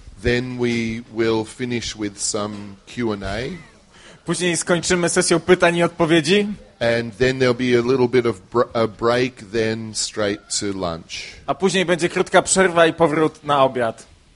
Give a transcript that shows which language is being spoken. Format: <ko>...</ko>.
<en>Then we will finish with some Q&A.</en> <pl>Później skończymy sesją pytań i odpowiedzi.</pl> <en>And then there'll be a little bit of a break, then straight to lunch.</en> <pl>A później będzie krótka przerwa i powrót na obiad.</pl>